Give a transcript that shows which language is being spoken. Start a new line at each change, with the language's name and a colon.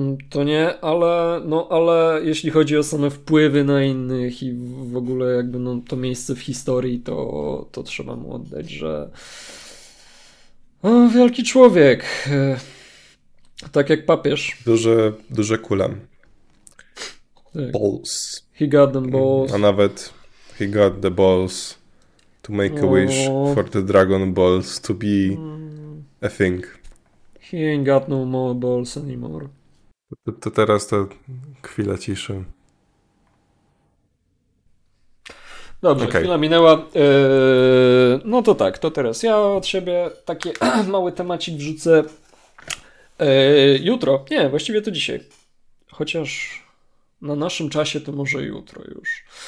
Polish: To nie, ale, no, ale jeśli chodzi o same wpływy na innych i w ogóle jakby no, to miejsce w historii, to trzeba mu oddać, że wielki człowiek, tak jak papież. Duże kule. Tak.
English: Balls. He got them balls.
Polish: A nawet
English: he got the balls to make a wish for the Dragon Balls to be a thing. He ain't got no more balls anymore.
Polish: To teraz ta chwila ciszy. Dobrze, okay. Chwila minęła. No to tak, to teraz ja od siebie taki mały temacik wrzucę. Jutro, nie, właściwie to dzisiaj. Chociaż na naszym czasie to może jutro już.